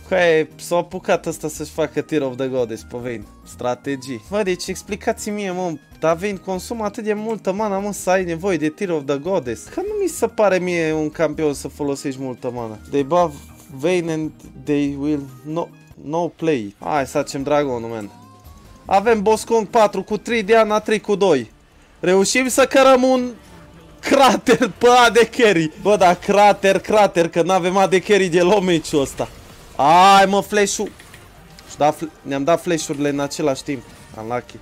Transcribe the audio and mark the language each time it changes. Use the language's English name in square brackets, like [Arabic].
[Romanian] Că e, s-a apucat ăsta să-și facă Tear of the Goddess pe Vayne. Strategii. Bă, deci explicați-mi mie, mă, dar Vayne consumă atât de multă mana, mă, să ai nevoie de Tear of the Goddess. Că nu mi se pare mie un campion să folosești multă mana. [English] They buff Vayne and they will no play. [Romanian] Hai să facem dragonul, man. Avem Boss Kong 4 cu 3, Diana 3 cu 2. Reușim să cărăm un crater pe AD carry. Bă, da, crater, că n-avem AD carry de luat match-ul ăsta. Ai, mă, flash-ul. Ne-am dat flash-urile în același timp. Unlucky.